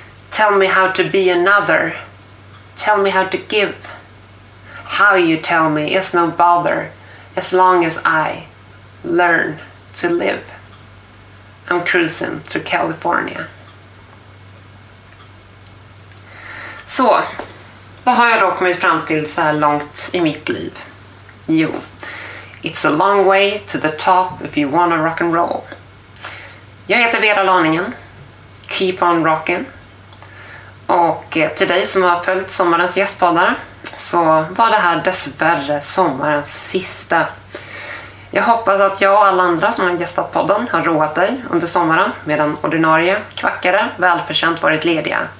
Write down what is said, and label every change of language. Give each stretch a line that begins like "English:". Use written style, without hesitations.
English: Tell me how to be another. Tell me how to give. How you tell me is no bother, as long as I learn to live. I'm cruising through California.
Swedish: Så, vad har jag då kommit fram till så här långt i mitt liv?
English: Jo, it's a long way to the top if you wanna rock and roll.
Swedish: Jag heter Vera Laningen,
English: keep on rocking.
Swedish: Och till dig som har följt sommarens gästpoddar så var det här dessvärre sommarens sista. Jag hoppas att jag och alla andra som har gästat podden har roat dig under sommaren medan ordinarie kvackare välförtjänt varit lediga.